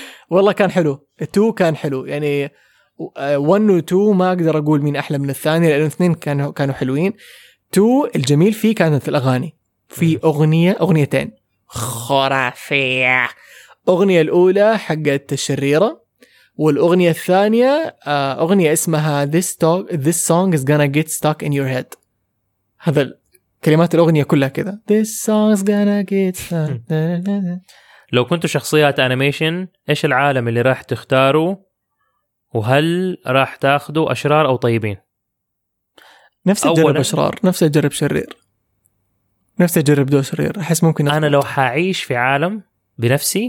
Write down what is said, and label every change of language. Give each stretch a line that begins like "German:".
Arabic: والله كان حلو، 2 كان حلو يعني، 1 و2 ما اقدر اقول مين احلى من الثاني لان اثنين كانوا حلوين. 2 الجميل فيه كانت الاغاني، في اغنيتين خرافيه. اغنيه الاولى حقت الشريره، والأغنية الثانية أغنية اسمها
English: This song is gonna get stuck in your head.
Arabic: هذا كلمات الأغنية كلها كذا.
English: This song is gonna get stuck.
Arabic: لو كنتوا شخصيات أنيميشن، إيش العالم اللي راح تختاروا؟ وهل راح تاخدوا أشرار أو طيبين؟ نفسي أجرب أشرار، نفسي أجرب شرير، نفسي أجرب دو شرير. أحس ممكن أنا لو حعيش في عالم بنفسي.